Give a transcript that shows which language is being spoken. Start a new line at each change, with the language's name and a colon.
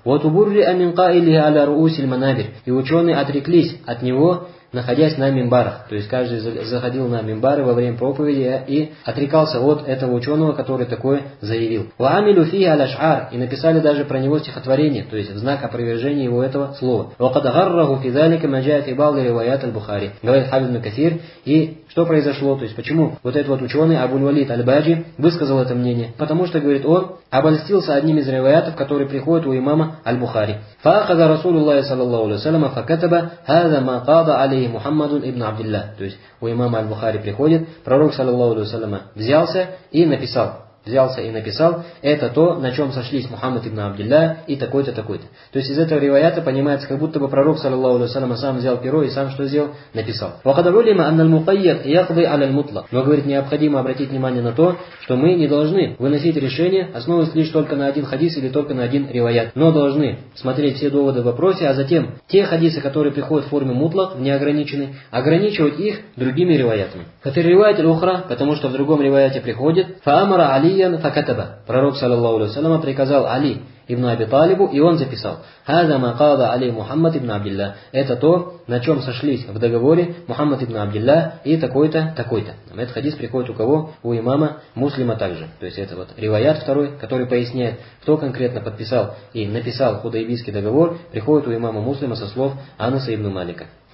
Russian: Вот убурли аминка или аля руусиль манабир. И ученые отреклись от него, находясь на мимбарах. То есть каждый заходил на мимбары во время проповеди и отрекался от этого ученого, который такое заявил.
Arabic: وَعَمِلُوا فِيهِ الْأَشْعَارِ,
Russian: и написали даже про него стихотворение, то есть в знак опровержения его этого слова.
Arabic: وَقَدْ غَرَّهُ فِي ذَلِكَ مَجَاءَ فِي بَعْضِ رِوَايَاتِ الْبُخَارِ,
Russian: говорит Хафиз ибн Касир. И что произошло? То есть почему вот этот вот ученый Абуль-Валид Аль-Баджи высказал это мнение? Потому что, говорит, он обольстился одним из риваятов, которые приходят у имама Аль-Бухари.
Arabic: فَأَخَذَ رَسُولُ اللَّهِ صَلَّى اللَّهُ عَلَيْهِ وَسَلَّمَ فَكَتَبَ هَذَا مَا قَضَى عَلَيْهِ مُحَمَّدٌ ابْنُ عَبْدِ اللَّهِ.
Russian: То есть у имама Аль-Бухари приходит, пророк, саллаллаху алейхи ва саллям, взялся и написал это то, на чем сошлись Мухаммад ибн Абдилля и такой-то, такой-то. То есть из этого риваята понимается, как будто бы пророк, саллаллаху алейхи ва саллям, сам взял перо и сам что сделал? Написал.
Arabic: وَقَدْ عُلِمَ أَنَّ الْمُقَيَّدَ يَقْضِي عَلَى الْمُطْلَقِ.
Russian: Но, говорит, необходимо обратить внимание на то, что мы не должны выносить решение, основываясь лишь только на один хадис или только на один риваят, но должны смотреть все доводы в вопросе, а затем те хадисы, которые приходят в форме мутлак, в неограниченной, ограничивать их другими риваятами.
Arabic: فَفِي الرِّوَايَةِ الْأُخْرَى,
Russian: потому что в другом риваяте приходит
Arabic: فَأَمَرَ عَلِيًّا فَكَتَبَ,
Russian: пророк, саллаллаху алейхи ва саллям, приказал Али ибн Аби Талибу, и он записал.
Arabic: هذا ما قضى عليه محمد ابن عبد الله.
Russian: Это то, на чем сошлись в договоре Мухаммад ибн Абдилла и такой-то, такой-то. Этот хадис приходит у кого? У имама Муслима также. То есть это вот риваят второй, который поясняет, кто конкретно подписал и написал Худайбийский договор, приходит у имама Муслима со слов Анаса ибн Малика.